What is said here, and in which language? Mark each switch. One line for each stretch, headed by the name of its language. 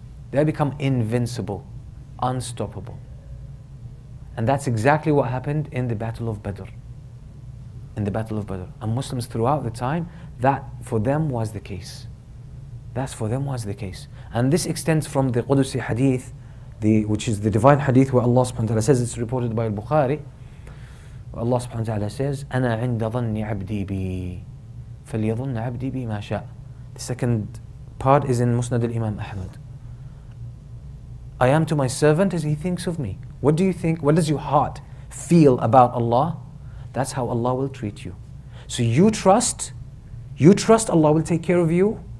English: They become invincible, unstoppable. And that's exactly what happened in the Battle of Badr. In the Battle of Badr. And Muslims throughout the time, that for them was the case. That's for them was the case. And this extends from the Qudusi Hadith, which is the divine hadith where Allah subhanahu wa ta'ala says, it's reported by Al-Bukhari.
Arabic: Allah subhanahu wa ta'ala says, أَنَا عِنْدَ ظَنِّ عَبْدِي بِي فَلْيَظُنَّ عَبْدِي بِي مَا شَاءَ.
English: The second part is in Musnad al-Imam Ahmad. I am to my servant as he thinks of me. What do you think? What does your heart feel about Allah? That's how Allah will treat you. So you trust Allah will take care of you.